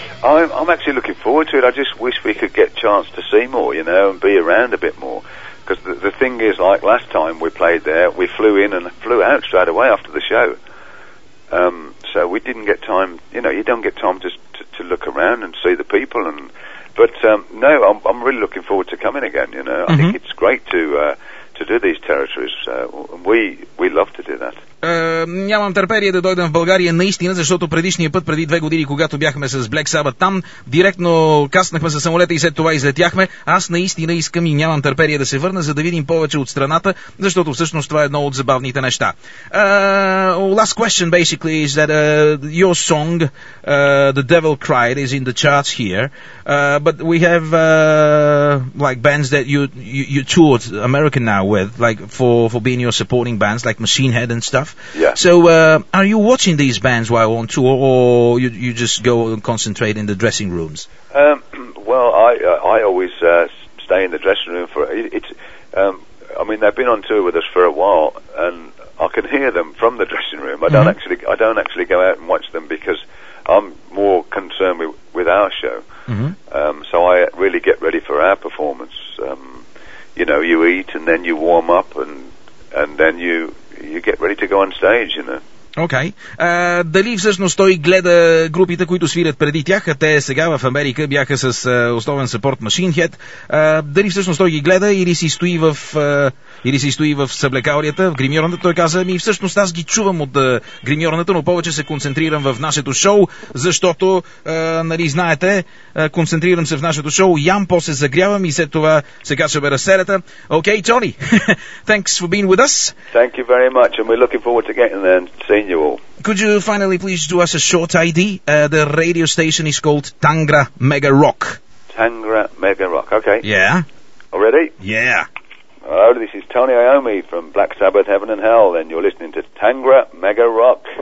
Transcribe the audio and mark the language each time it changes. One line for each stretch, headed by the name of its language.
English: I'm actually looking forward to it. I just wish we could get a chance to see more, you know, and be around a bit more, because the thing is, like last time we played there, we flew in and flew out straight away after the show. So we didn't get time, you know, you don't get time just to look around and see the people. And but no, I'm really looking forward to coming again, you know. Mm-hmm. I think it's great to do these territories. We love to do that.
Bulgarian: Нямам търпение да дойдам в България наистина, защото предишния път, преди две години, когато бяхме с Black Sabbath там, директно каснахме със самолета и след това излетяхме. Аз наистина искам и нямам търпение да се върна, за да видим повече от страната, защото всъщност това е едно от забавните неща.
English: Last question basically is that your song The Devil Cried is in the charts here, but we have like bands that you toured America now with, like for being your supporting bands, like Machine Head and stuff. Yeah. So, are you watching these bands while on tour, or you just go and concentrate in the dressing rooms? Well, I always stay in the dressing room for I mean, they've been on tour with us for a while, and I can hear them from the dressing room. I don't actually go out and watch them, because I'm more concerned with our show. Mm-hmm. So I really get ready for our performance. You know, you eat and then you warm up and then you get ready to go on stage, you know. Okay.
Bulgarian: Дали всъщност той гледа групите, които свирят преди тях, а те сега в Америка бяха с основен support Machine Head. Дали всъщност той ги гледа или си стои в съблекаурията, в гримьорната? Той каза, ами всъщност аз ги чувам от гримьорната, но повече се концентрирам в нашето шоу, защото нали знаете, концентрирам се в нашето шоу, ям, после загрявам и след това се качваме на сцената.
English: Okay, Tony. Thanks for being with us. Thank you very much, and we're looking forward to getting there. Could you finally please do us a short ID? The radio station is called Tangra Mega Rock. Tangra Mega Rock, okay. Yeah. Already? Yeah. Hello, this is Tony Iommi from Black Sabbath, Heaven and Hell, and you're listening to Tangra Mega Rock.